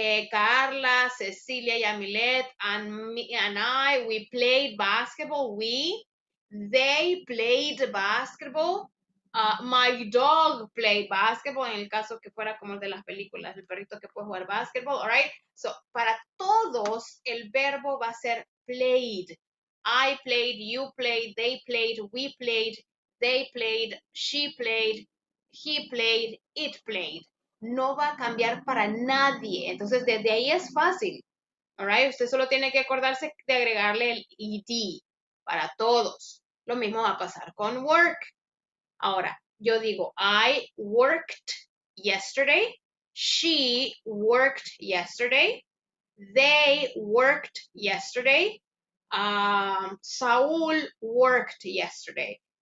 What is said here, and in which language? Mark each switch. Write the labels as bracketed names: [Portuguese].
[English] Carla, Cecilia, Yamilet, and I, we played basketball. They played basketball. My dog played basketball, [Spanish] en el caso que fuera como el de las películas, el perrito que puede jugar basketball, [English] all right? [Spanish] So, para todos, el verbo va a ser played. [English] I played, you played, we played, they played, she played, he played, it played. [Spanish] No va a cambiar para nadie. Entonces, desde ahí es fácil, [English] all right? [Spanish] Usted solo tiene que acordarse de agregarle el ed para todos. Lo mismo va a pasar con work. Ahora, yo digo, [English] I worked yesterday, she worked yesterday, they worked yesterday, Saul worked yesterday.